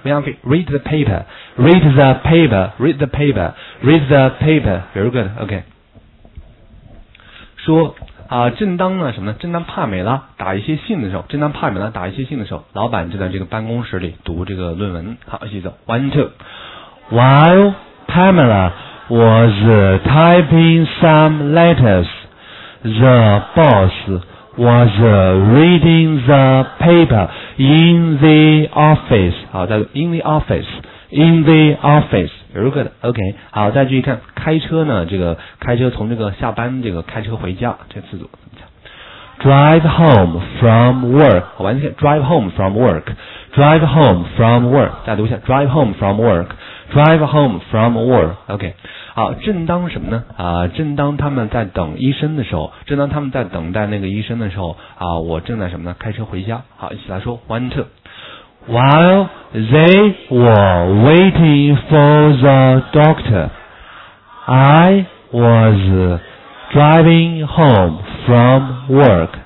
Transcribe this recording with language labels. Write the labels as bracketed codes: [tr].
[en] Ryanfin, read the paper. Read the paper. Read the paper. Read the paper. Very good. Okay. [zh] 说。正当呢什么呢？正当帕梅拉打一些信的时候，老板就在这个办公室里读这个论文。好，一起走。 [en] One two. While Pamela was typing some letters, the boss was reading the paper in the office. 好，再 in the office, in the office. Very good. OK. [zh] 好，再继续看开车呢。这个开车从这个下班这个开车回家这次组怎么讲 [en] drive home from work. [zh] 好吧，你看 [en] drive home from work, drive home from work, [zh] 大家读一下 [en] drive home from work, drive home from work. OK, [zh] 好，正当什么呢？正当他们在等医生的时候，正当他们在等待那个医生的时候，我正在什么呢？开车回家。好，一起来说 [en] one two. While they were waiting for the doctor, I was driving home from work.